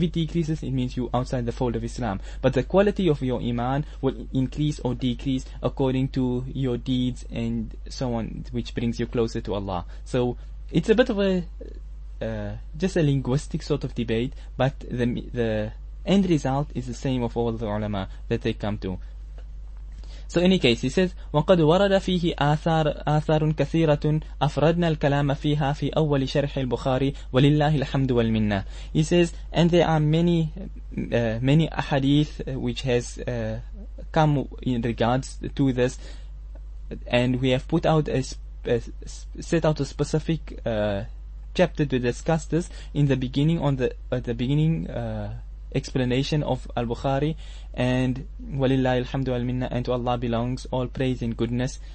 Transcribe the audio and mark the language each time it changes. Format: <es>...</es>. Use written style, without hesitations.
<en>If it decreases, it means you outside the fold of Islam. But the quality of your iman will increase or decrease according to your deeds and so on, which brings you closer to Allah. So it's a bit of a just a linguistic sort of debate, but the end result is the same of all the ulama that they come to. So in any case, he says,</en> <ar>وَقَدْ وَرَدَ فِيهِ آثَارٌ كَثِيرَةٌ أَفْرَدْنَا الْكَلَامَ فِيهَا فِي أَوَّلِ شَرْحِ الْبُخَارِ وَلِلَّهِ الْحَمْدُ وَالْمِنَّةِ.</ar> <en>He says, and there are many, many ahadith which has come in regards to this, and we have put out set out a specific chapter to discuss this in the beginning, explanation of Al-Bukhari, and</en> <ar>Walillahi alhamdu wal minna,</ar> <en>and to Allah belongs all praise and goodness.</en>